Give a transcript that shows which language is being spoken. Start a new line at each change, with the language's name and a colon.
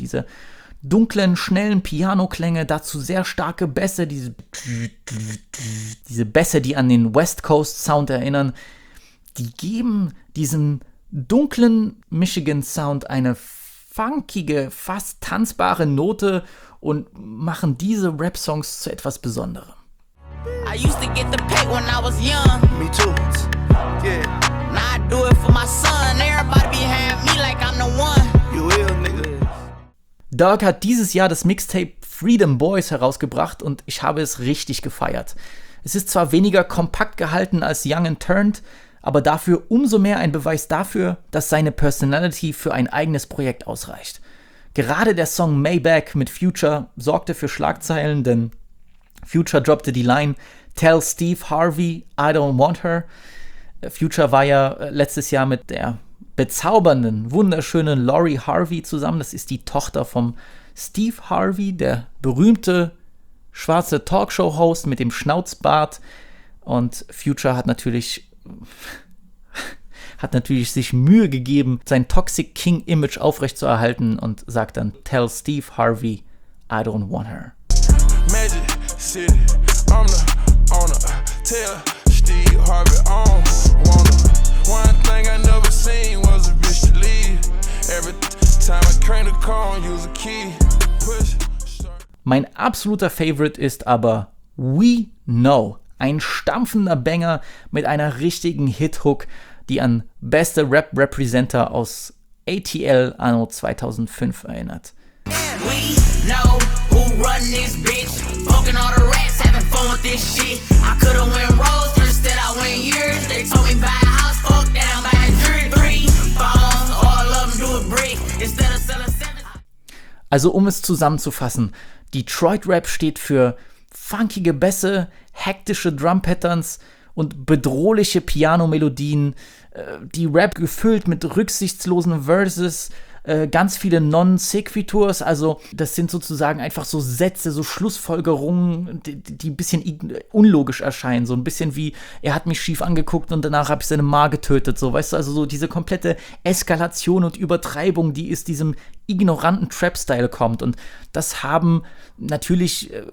German: Diese dunklen, schnellen Piano-Klänge, dazu sehr starke Bässe, diese Bässe, die an den West Coast-Sound erinnern, die geben diesem dunklen Michigan-Sound eine funkige, fast tanzbare Note und machen diese Rap-Songs zu etwas Besonderem.
English: I used to get the pay when I was young. Me too. Yeah. Now I do it for my son. Everybody be having me like I'm the one. You will, nigga.
German: Doug hat dieses Jahr das Mixtape Freedom Boys herausgebracht und ich habe es richtig gefeiert. Es ist zwar weniger kompakt gehalten als Young and Turned, aber dafür umso mehr ein Beweis dafür, dass seine Personality für ein eigenes Projekt ausreicht. Gerade der Song Maybach mit Future sorgte für Schlagzeilen, denn Future droppte die Line
English: Tell Steve Harvey, I don't want her.
German: Future war ja letztes Jahr mit der bezaubernden, wunderschönen Lori Harvey zusammen. Das ist die Tochter von Steve Harvey, der berühmte schwarze Talkshow-Host mit dem Schnauzbart. Und Future hat natürlich sich Mühe gegeben, sein Toxic King Image aufrechtzuerhalten und sagt dann
English: Tell Steve Harvey, I don't want her. Magic City, I'm the owner. Tell Steve Harvey, I don't want her. One thing I never seen was a bitch to leave. Every time I crank the car, use a key. Push.
German: Mein absoluter Favorite ist aber We Know. Ein stampfender Banger mit einer richtigen Hit-Hook, die an beste Rap-Representer aus ATL anno 2005 erinnert.
English: We know who run this bitch. Fucking all the rats having fun with this shit. I could've went rose, instead I went years. They told me buy a house, fuck that, I'm buying jewelry. Three phones, all of them do a brick. Instead of selling seven.
German: Also um es zusammenzufassen, Detroit-Rap steht für funkige Bässe, hektische Drum-Patterns und bedrohliche Piano-Melodien, die Rap gefüllt mit rücksichtslosen Verses, ganz viele Non-Sequiturs, also das sind sozusagen einfach so Sätze, so Schlussfolgerungen, die ein bisschen unlogisch erscheinen, so ein bisschen wie, er hat mich schief angeguckt und danach habe ich seine Ma getötet, so, weißt du, also so diese komplette Eskalation und Übertreibung, die ist diesem ignoranten Trap-Style kommt und das haben natürlich,